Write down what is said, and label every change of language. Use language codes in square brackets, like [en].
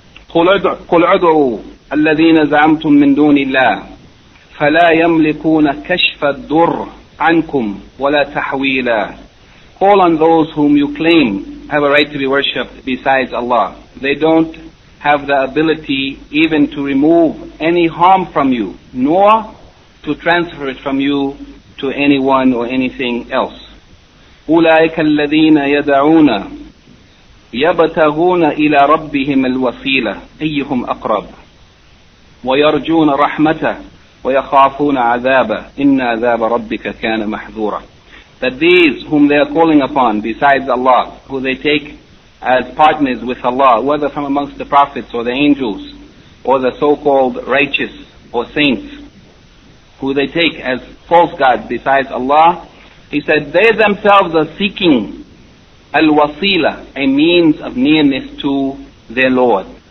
[ar] قُلْ عُدْعُوا الَّذِينَ زَعَمْتُمْ مِنْ دُونِ اللَّهِ فَلَا يَمْلِكُونَ كَشْفَ الدُّرِّ عَنْكُمْ وَلَا تَحْوِيلًا. [en] Call on those whom you claim have a right to be worshipped besides Allah. They don't have the ability even to remove any harm from you, nor to transfer it from you to anyone or anything else. [ar] أولئك الذين يدعون يبتغون إلى ربهم الوسيلة أيهم أقرب ويرجون رحمته ويخافون عذابه إن عذاب ربك كان محذورا. [en] That these whom they are calling upon besides Allah, who they take as partners with Allah, whether from amongst the prophets or the angels or the so-called righteous or saints, who they take as false gods besides Allah, he said, they themselves are seeking al-wasila, a means of nearness to their Lord.